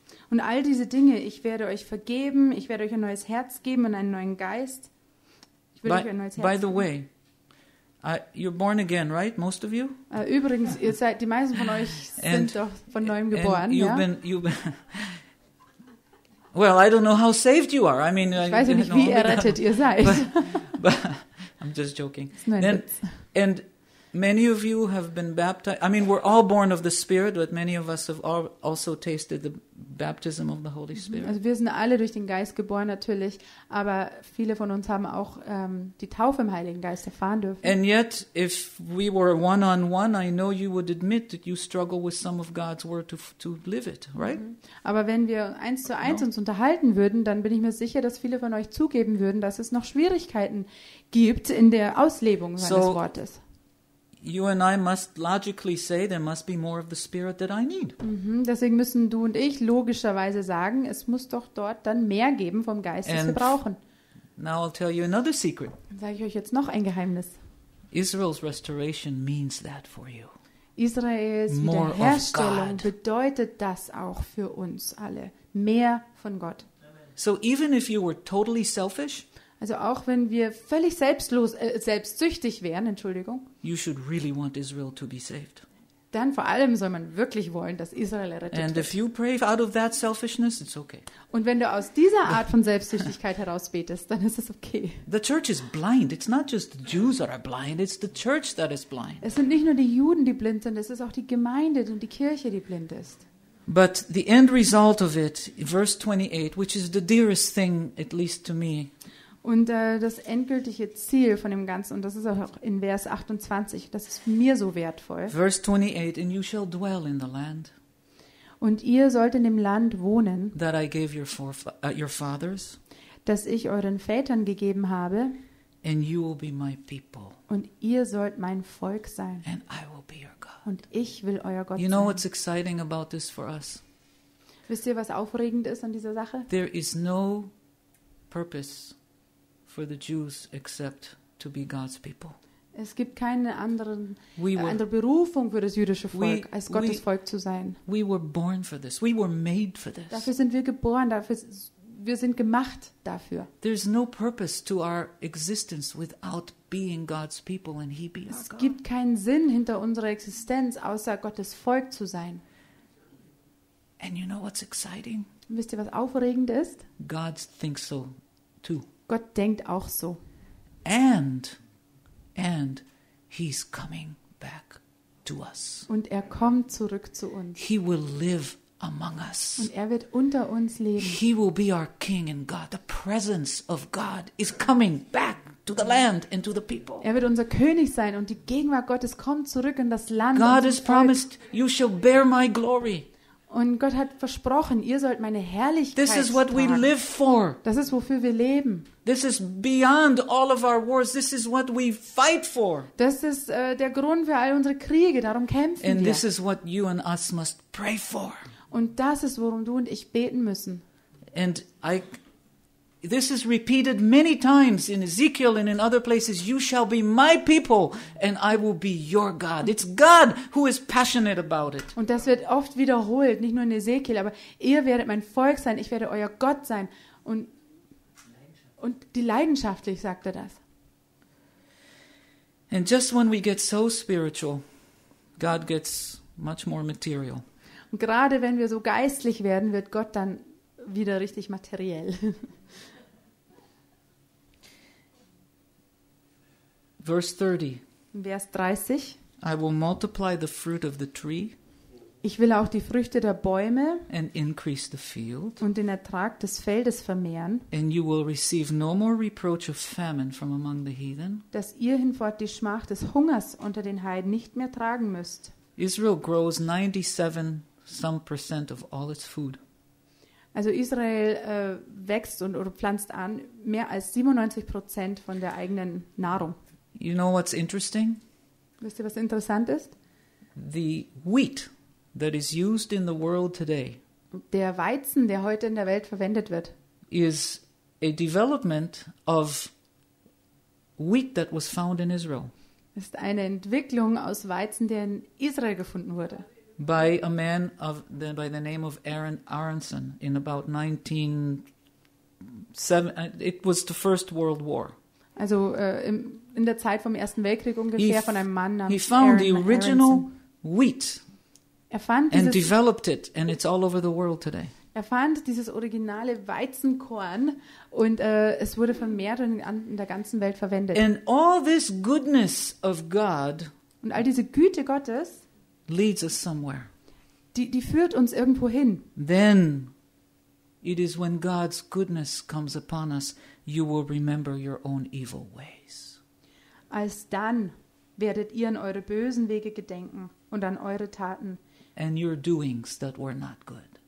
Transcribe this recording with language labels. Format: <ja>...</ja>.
<de>Und all diese Dinge, ich werde euch vergeben, ich werde euch ein neues Herz geben und einen neuen Geist. Ich will euch ein neues Herz geben.</de> <en>By the way, you're born again, right? Most of you?</en> <de>Übrigens, ihr seid, die meisten von euch sind doch von neuem geboren,</de> <en>you've</en> <de>ja?</de> <en>Well, I don't know how saved you are. I mean,</en> <de>ich weiß nicht, wie errettet ihr seid.</de> <en>But I'm just joking. And many of you have been baptized. I mean, we're all born of the Spirit, but many of us have also tasted the baptism of the Holy Spirit.</en> <de>Also wir sind alle durch den Geist geboren natürlich, aber viele von uns haben auch die Taufe im Heiligen Geist erfahren dürfen.</de> <en>And yet, if we were one-on-one, I know you would admit that you struggle with some of God's word to live it, right?</en> <de>Aber wenn wir eins zu eins uns unterhalten würden, dann bin ich mir sicher, dass viele von euch zugeben würden, dass es noch Schwierigkeiten gibt in der Auslebung seines Wortes.</de> <en>You and I must logically say there must be more of the spirit that I need.</en> <de>Deswegen müssen du und ich logischerweise sagen, es muss doch dort dann mehr geben vom Geist, das wir brauchen.</de> <en>Now I'll tell you another secret.</en> <de>Dann sage ich euch jetzt noch ein Geheimnis.</de> <en>Israel's restoration means that for you.</en> <de>Israels Wiederherstellung bedeutet das auch für uns alle, mehr von Gott.</de> <en>So even if you were totally selfish,</en> <de>also auch wenn wir völlig selbstlos, selbstsüchtig wären, Entschuldigung,</de> <en>you should really want Israel to be saved.</en> <de>Dann vor allem soll man wirklich wollen, dass Israel errettet</de> <en>and</en> <de>wird.</de> <en>If you pray out of that selfishness, it's okay.</en> <de>Und wenn du aus dieser Art von Selbstsüchtigkeit heraus betest, dann ist es okay.</de> <en>The church is blind. It's not just the Jews that are blind. It's the church that is blind.</en> <de>Es sind nicht nur die Juden, die blind sind. Es ist auch die Gemeinde und die Kirche, die blind ist.</de> <en>But the end result of it, verse 28, which is the dearest thing, at least to me,</en> <de>und das endgültige Ziel von dem Ganzen, und das ist auch in Vers 28, das ist mir so wertvoll.</de> <en>Verse 28, and you shall dwell in the land.</en> <de>Und ihr sollt in dem Land wohnen,</de> <en>that I gave your fathers,</en> <de>das ich euren Vätern gegeben habe.</de> <en>And you will be my people.</en> <de>Und ihr sollt mein Volk sein.</de> <en>And I will be your God.</en> <de>Und ich will euer Gott</de> <en>you know</en> <de>sein.</de> <en>What's exciting about this for us?</en> <de>Wisst ihr, was aufregend ist an dieser Sache?</de> <en>There is no purpose for the Jews except to be God's people.</en> <de>Es gibt keine andere Berufung für das jüdische Volk, als Gottes Volk zu sein.</de> <en>We were born for this. We were made for this.</en> <de>Dafür sind wir geboren, wir sind gemacht dafür.</de> <en>There's no purpose to our existence without being God's people and He be our God.</en> <de>Es gibt keinen Sinn hinter unserer Existenz, außer Gottes Volk zu sein.</de> <en>And you know what's exciting?</en> <de>Wisst ihr, was aufregend ist?</de> <en>God thinks so too.</en> <de>Gott denkt auch so.</de> <en>And he's coming back to us.</en> <de>Und er kommt zurück zu uns.</de> <en>He will live among us.</en> <de>Und er wird unter uns leben.</de> <en>He will be our king and God. The presence of God is coming back to the land and to the people.</en> <de>Er wird unser König sein und die Gegenwart Gottes kommt zurück in das Land.</de> <en>God has promised, you shall bear my glory.</en> <de>Und Gott hat versprochen, ihr sollt meine Herrlichkeit tragen.</de> <en>This is what we live for.</en> <de>Das ist, wofür wir leben.</de> <en>This is beyond all of our wars. This is what we fight for.</en> <de>Das ist der Grund für all unsere Kriege. Darum kämpfen</de> <en>and</en> <de>wir.</de> <en>This is what you and us must pray for.</en> <de>Und das ist, worum du und ich beten müssen.</de> <en>And this is repeated many times in Ezekiel and in other places. You shall be my people and I will be your God. It's God who is passionate about it.</en> <de>Und das wird oft wiederholt, nicht nur in Ezekiel, aber ihr werdet mein Volk sein, ich werde euer Gott sein. Und die leidenschaftlich sagt er das.</de> <en>And just when we get so spiritual, God gets much more material.</en> <de>Und gerade wenn wir so geistlich werden, wird Gott dann wieder richtig materiell.</de> <en>Verse 30.</en> <de>Vers 30.</de> <en>I will multiply the fruit of the tree.</en> <de>Ich will auch die Früchte der Bäume</de> <en>and increase the field.</en> <de>Und den Ertrag des Feldes vermehren.</de> <en>And you will receive no more reproach of famine from among the heathen.</en> <de>Dass ihr hinfort die Schmach des Hungers unter den Heiden nicht mehr tragen müsst.</de> <en>Israel grows 97 some percent of all its food.</en> <de>Also Israel wächst und oder pflanzt an mehr als 97% von der eigenen Nahrung.</de> <en>You know what's interesting?</en> <de>Wisst ihr, was interessant ist?</de> <en>The wheat that is used in the world today.</en> <de>Der Weizen, der heute in der Welt verwendet wird,</de> <en>is a development of wheat that was found in Israel.</en> <de>Ist eine Entwicklung aus Weizen, der in Israel gefunden wurde.</de> <en>By a man of the, by the name of Aaron Aronson in about 1907, it was the First World War.</en> <de>Also in der Zeit vom Ersten Weltkrieg ungefähr he von einem Mann namens</de> <en>Aaron. He found the original Aronson. Wheat.</en> <de>Er fand</de> <en>and developed it, and it's all over the world today.</en> <de>Er fand dieses originale Weizenkorn und es wurde vermehrt und in der ganzen Welt verwendet.</de> <en>And all this goodness of God</en> <de>und all diese Güte Gottes</de> <en>leads us somewhere.</en> <de>Die führt uns irgendwo hin.</de> <en>Then it is when God's goodness comes upon us, you will remember your own evil ways.</en> <de>Als dann werdet ihr an eure bösen Wege gedenken und an eure Taten.</de> <en>And your doings that were not good.</en>